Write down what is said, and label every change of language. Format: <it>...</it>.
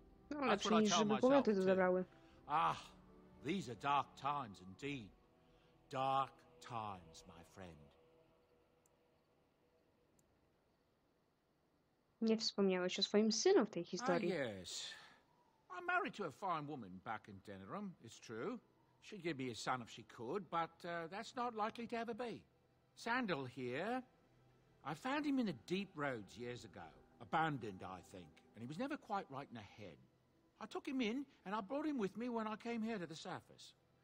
<pl>No, lepiej niż żeby pomioty to zabrały.</pl> <en>Ah, these are dark times indeed. Dark times, my friend.</en> <pl>Nie wspomniałeś o swoim synu w tej historii.</pl> <en>Ah, yes. I'm married to a fine woman back in Denerim, it's true. She'd give me a son if she could, but that's not likely to ever be. Sandal here. I found him in the deep roads years ago. Abandoned, I think. And he was never quite right in the head. I took him in, and I brought him with me when I came here to the surface.</en>